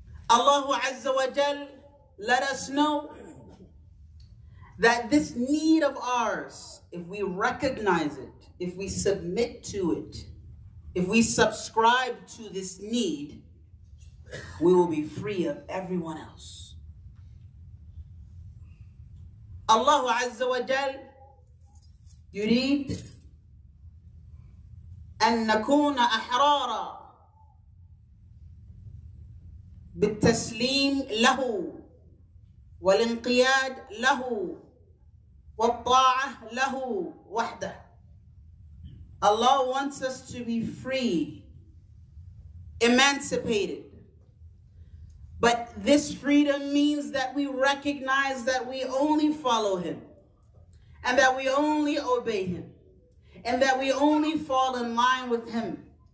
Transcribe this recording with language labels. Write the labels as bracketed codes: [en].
[en] Allahu Azza wa Jal, let us know that this need of ours, if we recognize it, if we submit to it, if we subscribe to this need, we will be free of everyone else. [ar] Allahu Azza wa Jal, [en] you read, [ar] أن نكون أحرارا بالتسليم له والانقياد له والطاعة له وحده. [en] Allah wants us to be free, emancipated. But this freedom means that we recognize that we only follow Him, and that we only obey Him, and that we only fall in line with Him.